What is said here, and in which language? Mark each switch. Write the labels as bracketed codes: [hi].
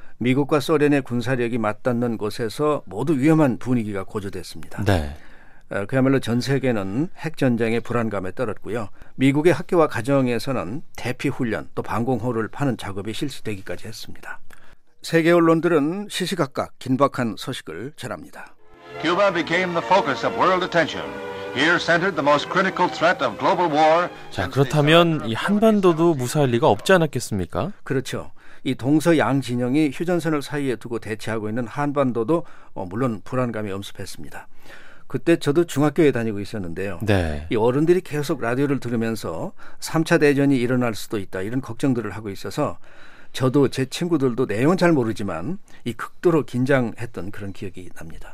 [ko] 미국과 소련의 군사력이 맞닿는 곳에서 모두 위험한 분위기가 고조됐습니다. 네. 그야말로 전 세계는 핵전쟁의 불안감에 떨었고요. 미국의 학교와 가정에서는 대피훈련 또 방공호를 파는 작업이 실시되기까지 했습니다. 세계 언론들은 시시각각 긴박한 소식을 전합니다. [en] Cuba became the focus of world attention. Here centered the most critical threat of global war. [ko] 자, 그렇다면 이 한반도도 무사할 리가 없지 않았겠습니까? 그렇죠. 이 동서양 진영이 휴전선을 사이에 두고 대치하고 있는 한반도도 물론 불안감이 엄습했습니다. 그때 저도 중학교에 다니고 있었는데요. 네. 이 어른들이 계속 라디오를 들으면서 3차 대전이 일어날 수도 있다 이런 걱정들을 하고 있어서 저도 제 친구들도 내용은 잘 모르지만 이 극도로 긴장했던 그런 기억이 납니다.